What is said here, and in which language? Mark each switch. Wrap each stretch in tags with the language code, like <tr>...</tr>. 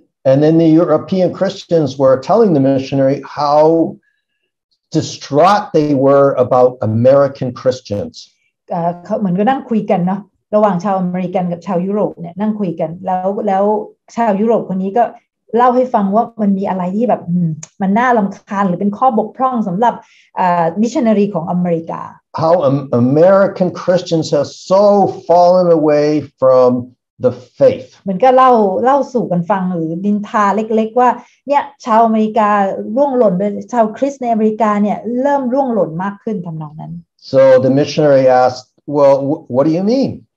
<en>And then the European Christians were telling the missionary howDistraught they were about American Christians.</en> <th>เหมือนก็นั่งคุยกันเนาะระหว่างชาวอเมริกันกับชาวยุโรปเนี่ยนั่งคุยกันแล้วชาวยุโรปคนนี้ก็เล่าให้ฟังว่ามันมีอะไรที่แบบมันน่ารำคาญหรือเป็นข้อบกพร่องสำหรับมิชชันนารีของอเมริกา</th> <en>How American Christians have so fallen away from the faith.</en> <th>เหมือนก็เล่าสู่กันฟังหรือดินทาเล็กๆว่าเนี่ยชาวอเมริการ่วงหล่นไปชาวคริสต์ในอเมริกาเนี่ยเริ่มร่วงหล่นมากขึ้นทำนองนั้น</th> <en>So the missionary asked, "Well, what do you mean?"</en>